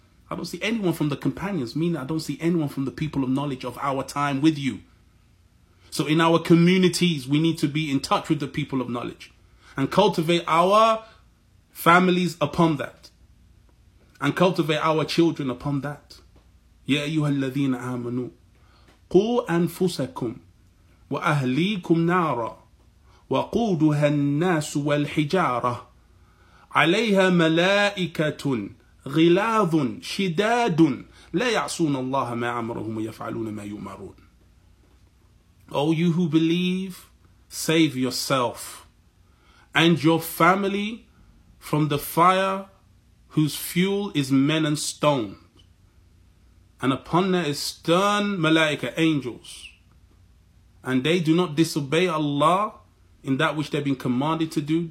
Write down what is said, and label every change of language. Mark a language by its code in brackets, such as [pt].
[en] I don't see anyone from the companions, meaning I don't see anyone from the people of knowledge of our time with you. So in our communities, we need to be in touch with the people of knowledge and cultivate our families upon that, and cultivate our children upon that. [ar] يا أيها الذين آمنوا قو أنفسكم وأهليكم نارا وقودها الناس والحجارة عليها ملائكة غلاظ شداد لا يعصون الله ما أمرهم ويفعلون ما يؤمرون. [en] O you who believe, save yourself and your family from the fire whose fuel is men and stone, and upon that is stern malaika, angels, and they do not disobey Allah in that which they've been commanded to do.